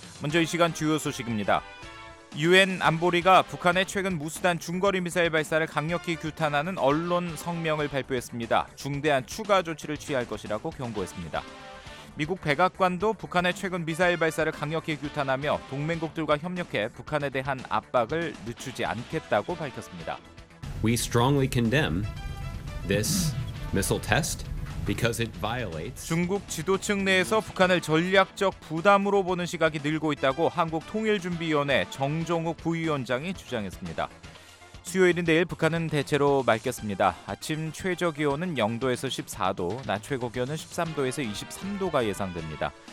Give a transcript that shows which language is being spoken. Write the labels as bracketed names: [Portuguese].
[Korean] 먼저 이 시간 주요 소식입니다. 유엔 안보리가 북한의 최근 무수단 중거리 미사일 발사를 강력히 규탄하는 언론 성명을 발표했습니다. 중대한 추가 조치를 취할 것이라고 경고했습니다. 미국 백악관도 북한의 최근 미사일 발사를 강력히 규탄하며 동맹국들과 협력해 북한에 대한 압박을 늦추지 않겠다고 밝혔습니다. [English] We strongly condemn this missile test because it violates [Korean] 중국 지도층 내에서 북한을 전략적 부담으로 보는 시각이 늘고 있다고 한국통일준비위원회 정종욱 부위원장이 주장했습니다. 수요일인 내일 북한은 대체로 맑겠습니다. 아침 최저기온은 0도에서 14도, 낮 최고기온은 13도에서 23도가 예상됩니다.